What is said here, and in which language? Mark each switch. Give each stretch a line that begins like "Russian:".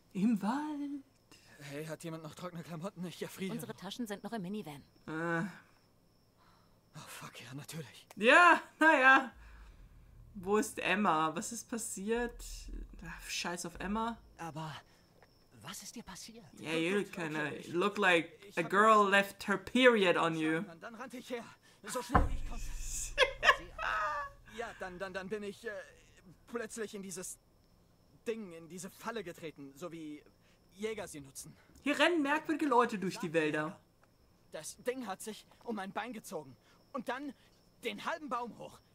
German: Im Wald? Hey, hat jemand noch trockene Klamotten? Ich erfriere. Unsere Taschen sind noch im Minivan. Oh, fuck, ja, natürlich. Ja, naja. Wo ist Emma? Was ist passiert? Scheiß auf Emma. Aber Was ist dir passiert?
English: Yeah, you kind of look like a girl left her period on you.
German: Dann rannte ich her, so schnell ich konnte. Ja, dann bin ich plötzlich in dieses Ding, in diese Falle getreten, so wie Jäger sie nutzen. Hier rennen merkwürdige Leute durch die Wälder. Das Ding hat sich um mein Bein gezogen und dann den halben Baum hoch.